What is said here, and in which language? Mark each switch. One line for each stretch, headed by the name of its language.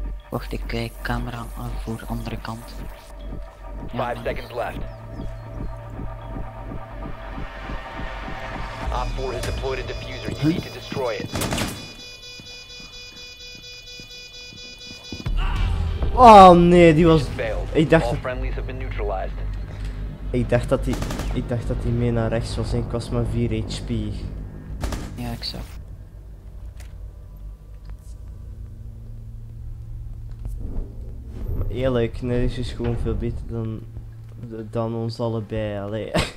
Dutch: Wacht, ik kijk camera voor de andere kant.
English: 5 seconds left. Op 4 has deployed a diffuser. You need to destroy it.
Dutch: Oh nee, die was. Ik dacht.
English: All friendlies have been neutralized.
Dutch: Ik dacht dat hij mee naar rechts was en ik was maar 4 HP. Ja, ik zag. Eerlijk, nee, dit is gewoon veel beter dan ons allebei. Allee.